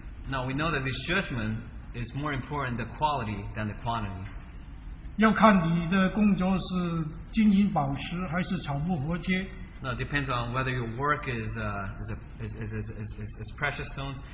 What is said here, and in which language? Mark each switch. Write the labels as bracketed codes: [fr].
[en] Now we know that this judgment is more important the quality than the quantity. [zh] 要看你的工作是金银宝石还是草木活结。 [en] No, it depends on whether your work is precious stones.